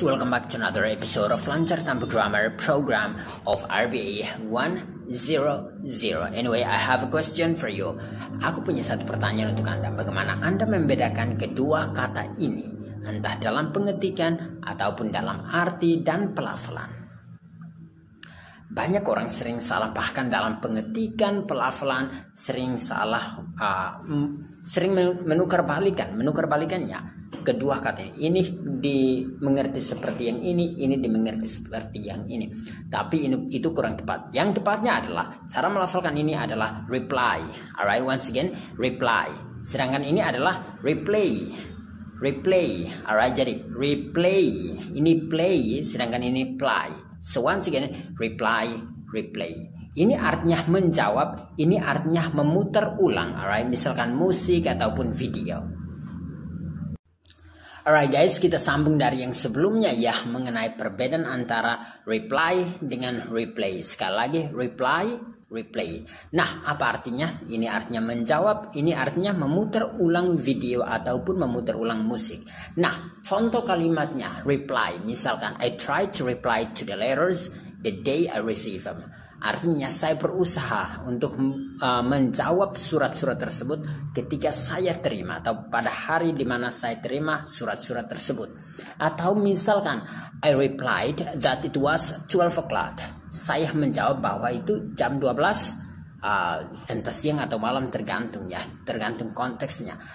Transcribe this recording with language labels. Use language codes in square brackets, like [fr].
[en] Welcome back to another episode of Lancar Tambuh Grammar program of RBA 100. Anyway, I have a question for you. [id] Aku punya satu pertanyaan untuk Anda. Bagaimana Anda membedakan kedua kata ini? Entah dalam pengetikan ataupun dalam arti dan pelafalan. Banyak orang sering salah, bahkan dalam pengetikan, pelafalan sering salah, sering menukar balikannya. Kedua kata ini dimengerti seperti yang ini dimengerti seperti yang ini. Tapi ini, itu kurang tepat. Yang tepatnya adalah, cara melafalkan ini adalah reply. [en] Alright, once again, reply. [id] Sedangkan ini adalah replay. Replay, alright, jadi replay. Ini play, sedangkan ini play. [en] So once again, reply, replay. [id] Ini artinya menjawab, ini artinya memutar ulang. Alright, misalkan musik ataupun video. Alright guys, kita sambung dari yang sebelumnya ya, mengenai perbedaan antara reply dengan replay. Sekali lagi, reply, replay. Nah, apa artinya? Ini artinya menjawab, ini artinya memutar ulang video ataupun memutar ulang musik. Nah, contoh kalimatnya, reply. [en] Misalkan, I try to reply to the letters the day I receive them. [id] Artinya, saya berusaha untuk menjawab surat-surat tersebut ketika saya terima atau pada hari di mana saya terima surat-surat tersebut. Atau misalkan, [en] I replied that it was 12 o'clock. [id] Saya menjawab bahwa itu jam 12, entah siang atau malam, tergantung ya, tergantung konteksnya.